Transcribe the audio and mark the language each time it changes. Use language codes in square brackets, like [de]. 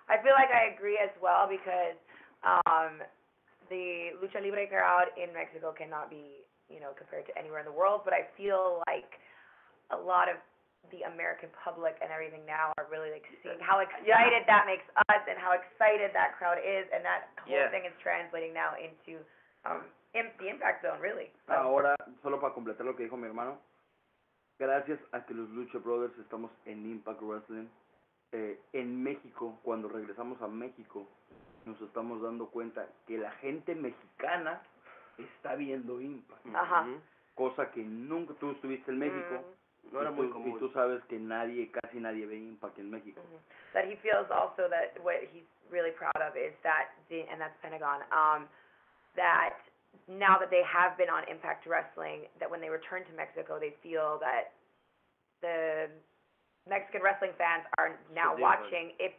[en] I feel like I agree as well because the Lucha Libre crowd in Mexico cannot be, you know, compared to anywhere in the world. But I feel like a lot of the American public and everything now are really like seeing how excited that makes us and how excited that crowd is, and that whole thing is translating now into the Impact Zone, really. So. [es] Ahora, solo para completar lo que dijo mi hermano, gracias a que los Lucha Brothers estamos en Impact Wrestling, en México, cuando regresamos a México, nos estamos dando cuenta que la gente mexicana está viendo Impact. Ajá. Uh-huh. Cosa que nunca tú estuviste en México. No era muy común. Y tú sabes que nadie, casi nadie ve Impact en México. Uh-huh. [en] But he feels also that what he's really proud of is that, and that's Pentagon, that now that they have been on Impact Wrestling, that when they return to Mexico, they feel that the Mexican wrestling fans are now watching.